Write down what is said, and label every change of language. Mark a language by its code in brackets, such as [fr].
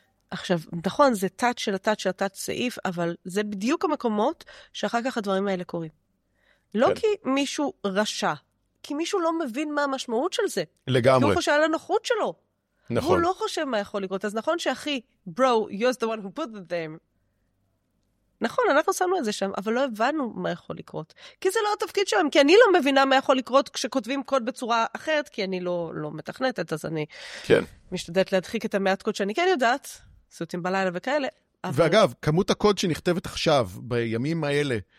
[he] עכשיו, נכון, זה תת של התת של התת סעיף, אבל זה בדיוק המקומות שאחר כך הדברים האלה קורים. לא כי מישהו רשע, כי מישהו לא מבין מה המשמעות של זה. לגמרי. כי הוא חושב על הנוחות שלו. נכון. הוא לא חושב מה יכול לקרות. אז נכון שאחי, [en] bro, you're the one who put them. [he] נכון, אנחנו שמנו את זה שם, אבל לא הבנו מה יכול לקרות. כי זה לא התפקיד שלהם, כי אני לא מבינה מה יכול לקרות כשכותבים קוד בצורה אחרת, כי אני לא מתכנתת, אז אני כן. משתדלת להדחיק את המעט קוד שאני כן יודעת, סיוטים בלילה וכאלה. אבל... ואגב, כמות הקוד שנכתבת עכשיו, בימים האלה,